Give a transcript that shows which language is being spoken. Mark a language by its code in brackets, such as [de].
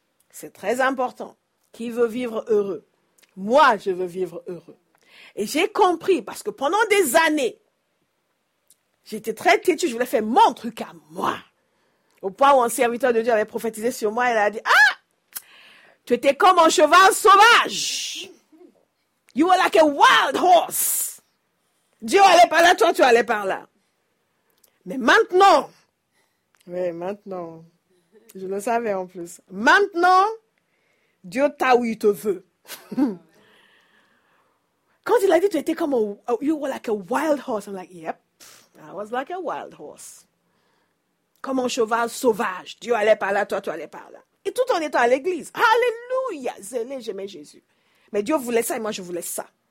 [fr] C'est très important. Qui veut vivre heureux? Moi, je veux vivre heureux. Et j'ai compris parce que pendant des années, j'étais très têtue, je voulais faire mon truc à moi. Au point où un serviteur de Dieu avait prophétisé sur moi, il a dit, « Ah, tu étais comme un cheval sauvage. [en] You were like a wild horse. [fr] Dieu allait par là, toi, tu allais par là. » Mais maintenant, oui, maintenant, je le savais en plus, maintenant, Dieu t'a où il te veut. Quand il a dit, tu étais comme [en] you were like a wild horse, I'm like, yep. I was like a wild horse. [fr] Comme un cheval sauvage. Dieu allait par là, toi allais par là. Et tout en étant à l'église. Alléluia! Zélé, j'aimais Jésus. Mais Dieu voulait ça et moi, je voulais ça.